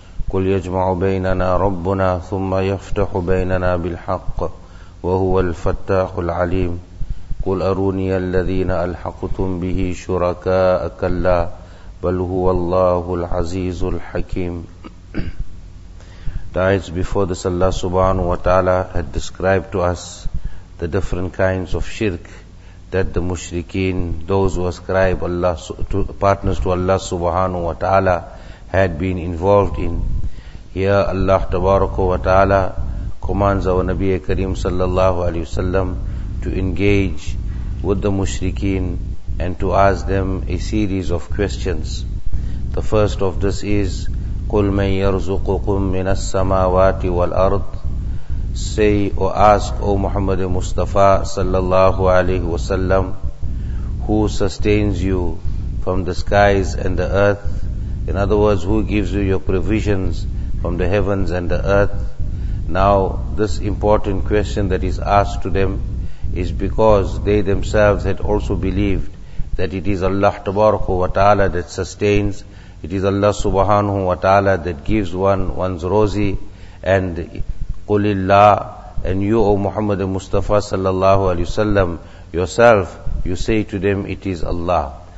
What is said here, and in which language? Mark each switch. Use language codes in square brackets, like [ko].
[ar] قل يجمع بيننا ربنا ثم يفتح بيننا بالحق وهو الفتاح العليم قل أروني الذين ألحقتم به شركاء كلا بل هو الله العزيز الحكيم. [en] Guys, before this, Allah subhanahu wa ta'ala had described to us the different kinds of shirk that the mushrikeen, those who ascribe Allah to partners to Allah subhanahu wa ta'ala, had been involved in. Here Allah tabaraka wa ta'ala commands our Nabiya Kareem sallallahu alayhi wa sallam to engage with the mushrikeen and to ask them a series of questions. [ar] The first of this is, قُلْ مَنْ يَرْزُقُكُمْ مِنَ السَّمَاوَاتِ وَالْأَرْضِ. [en] Say, O ask, O Muhammad Mustafa sallallahu alayhi wa sallam, who sustains you from the skies and the earth? In other words, who gives you your provisions from the heavens and the earth? Now, this important question that is asked to them is because they themselves had also believed that it is Allah tabaraka wa ta'ala that sustains, it is Allah subhanahu wa ta'ala that gives one's rozi, and qulillah, and you, O Muhammad Mustafa sallallahu alayhi wa sallam, yourself, you say to them it is Allah.